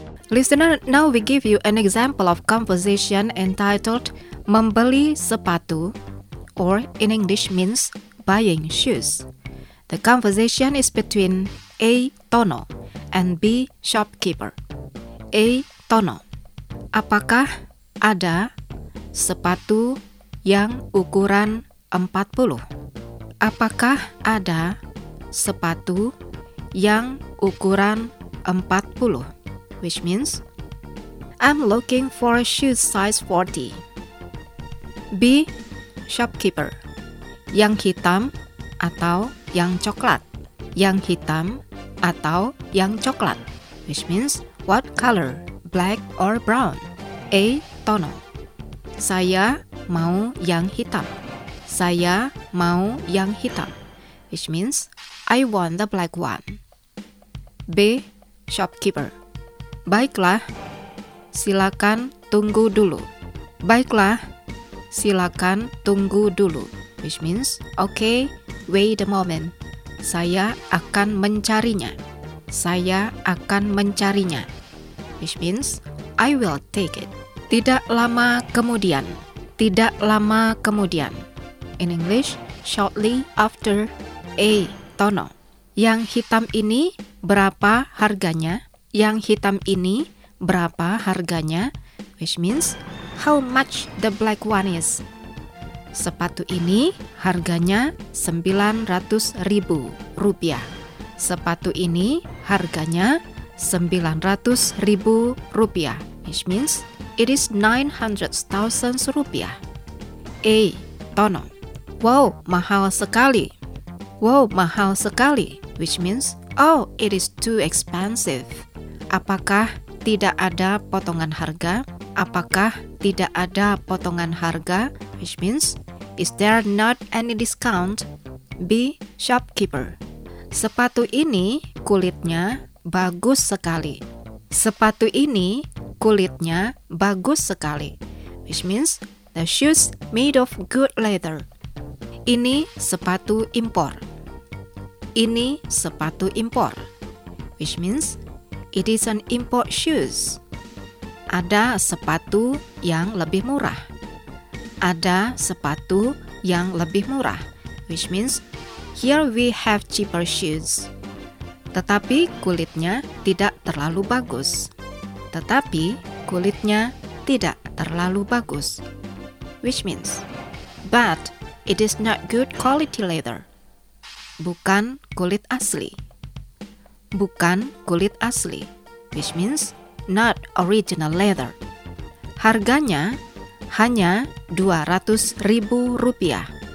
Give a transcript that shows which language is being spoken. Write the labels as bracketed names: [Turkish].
[English] Listener, now we give you an example of conversation entitled [Indonesian] Membeli Sepatu, [English] or in English means buying shoes. The conversation is between A. Tono and B. shopkeeper. A. [Indonesian] Tono, apakah ada sepatu yang ukuran 40? Apakah ada sepatu yang ukuran 40? [English] Which means, I'm looking for a shoe size 40. B. [Indonesian] Shopkeeper, yang hitam atau yang coklat? Yang hitam atau yang coklat? [English] Which means, what color, black or brown? A. [Indonesian] Tono, saya mau yang hitam. Saya mau yang hitam, [English] which means, I want the black one. B. [Indonesian] Shopkeeper, baiklah, silakan tunggu dulu. Baiklah, silakan tunggu dulu. [English] Which means, okay, wait a moment. [Indonesian] Saya akan mencarinya. Saya akan mencarinya. [English] Which means, I will take it. [Indonesian] Tidak lama kemudian. Tidak lama kemudian. [English] In English, shortly after. A. [Indonesian] Tono, yang hitam ini berapa harganya? Yang hitam ini berapa harganya? [English] Which means, how much the black one is? [Indonesian] Sepatu ini harganya 900 ribu rupiah. Sepatu ini harganya 900 ribu rupiah. [English] Which means, it is 900,000 rupiah. A. [Indonesian] Tono, wow, mahal sekali. Wow, mahal sekali. [English] Which means, oh, it is too expensive. [Indonesian] Apakah tidak ada potongan harga? Apakah tidak ada potongan harga? [English] Which means, is there not any discount? B. [Indonesian] Shopkeeper, sepatu ini kulitnya bagus sekali. Sepatu ini kulitnya bagus sekali. [English] Which means, the shoes made of good leather. [Indonesian] Ini sepatu impor. Ini sepatu impor. [English] Which means, it is an import shoes. [Indonesian] Ada sepatu yang lebih murah. Ada sepatu yang lebih murah. [English] Which means, here we have cheaper shoes. [Indonesian] Tetapi kulitnya tidak terlalu bagus. Tetapi kulitnya tidak terlalu bagus. [English] Which means, but it is not good quality leather. [Indonesian] Bukan kulit asli. Bukan kulit asli, [English] which means not original leather. [Indonesian] Harganya hanya 200 ribu rupiah.